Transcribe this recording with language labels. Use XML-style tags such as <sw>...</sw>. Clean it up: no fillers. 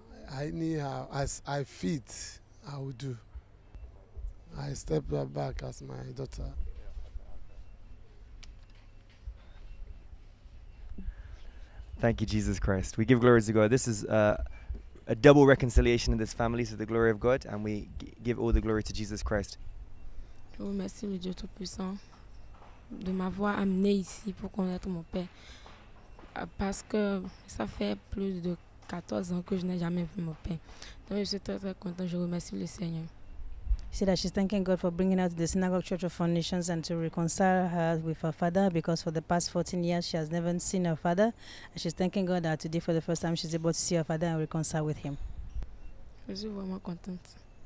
<en>I need her as I fit, I will do. I step back as my daughter. Thank you, Jesus Christ. We give glory to God. This is a double reconciliation in this family to the glory of God, and we give all the glory to Jesus Christ.</en> <fr>Je vous remercie, le Dieu Tout-Puissant, de m'avoir amené ici pour connaître mon père. Parce que ça fait plus de 14 ans que je n'ai jamais vu mon père. Donc je suis très, très content. Je remercie le Seigneur.</fr> <en>She said that she's thanking God for bringing her to the Synagogue Church of Foundations and to reconcile her with her father, because for the past 14 years she has never seen her father. And she's thanking God that today for the first time she's able to see her father and reconcile with him.</en> <fr>Je suis vraiment contente.</fr>